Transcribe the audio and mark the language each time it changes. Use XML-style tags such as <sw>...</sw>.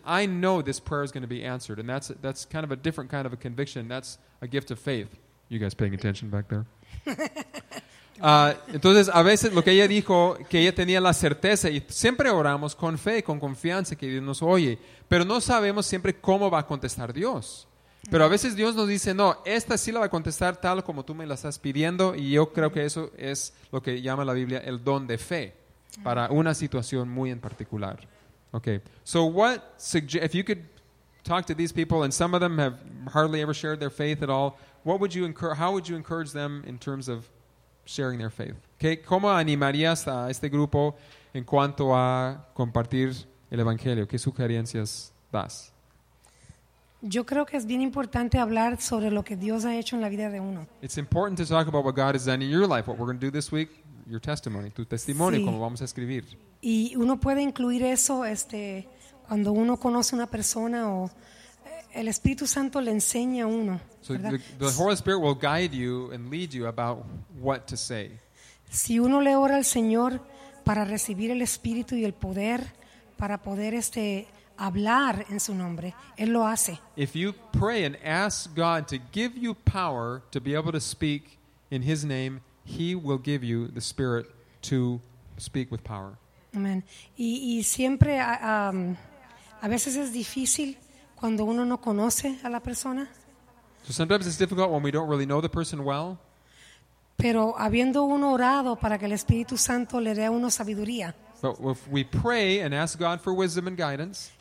<en>I know this prayer is going to be answered. And that's kind of a different kind of a conviction. That's a gift of faith. You guys paying attention back there?</en> <es>Entonces, a veces lo que ella dijo, que ella tenía la certeza, y siempre oramos con fe, con confianza, que Dios nos oye, pero no sabemos siempre cómo va a contestar Dios. Pero a veces Dios nos dice, no, esta sí la va a contestar tal como tú me la estás pidiendo, y yo creo que eso es lo que llama la Biblia el don de fe para una situación muy en particular.</es> <en>Okay, so if you could talk to these people, and some of them have hardly ever shared their faith at all, how would you encourage them in terms of sharing their faith?</en> <es>Okay, ¿cómo animarías a este grupo en cuanto a compartir el evangelio? ¿Qué sugerencias das? Yo creo que es bien importante hablar sobre lo que Dios ha hecho en la vida de uno.</es> <en>It's important to talk about what God has done in your life. What we're going to do this week, your testimony,</en> <es>tu testimonio, sí. Cómo vamos a escribir. Y uno puede incluir eso, cuando uno conoce una persona o el Espíritu Santo le enseña a uno.</es> <en>So the Holy Spirit will guide you and lead you about what to say.</en> <es>Si uno le ora al Señor para recibir el Espíritu y el poder para poder hablar en su nombre, Él lo hace.</es> <en>If you pray and ask God to give you power to be able to speak in His name, He will give you the Spirit to speak with power. Amen.</en> <es>Y siempre, a veces es difícil cuando uno no conoce a la persona.</es> <en>So sometimes it's difficult when we don't really know the person well.</en> <es>Pero habiendo uno orado para que el Espíritu Santo le dé a uno sabiduría.</es> <en>But if we pray and ask God for wisdom and guidance.</en>